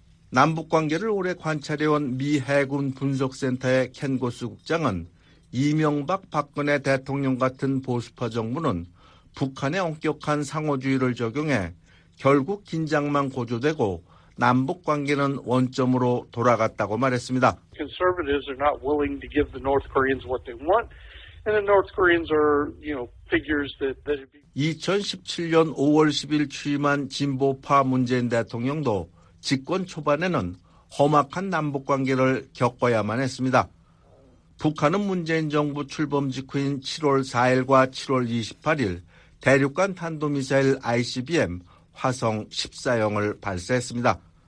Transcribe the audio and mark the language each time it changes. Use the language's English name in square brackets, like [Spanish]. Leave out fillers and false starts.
[Korean] 남북관계를 오래 관찰해온 미 해군 분석센터의 켄 고스 국장은 이명박 박근혜 대통령 같은 보수파 정부는 북한의 엄격한 상호주의를 적용해 결국 긴장만 고조되고 남북관계는 원점으로 돌아갔다고 말했습니다. [English] Conservatives are not willing to give the North Koreans what they want. And the North Koreans are, you know, figures that... [Korean] 2017년 5월 10일 취임한 진보파 문재인 대통령도 집권 초반에는 험악한 남북관계를 겪어야만 했습니다. 북한은 문재인 정부 출범 직후인 7월 4일과 7월 28일 대륙간 탄도미사일 ICBM 화성 14형을 발사했습니다.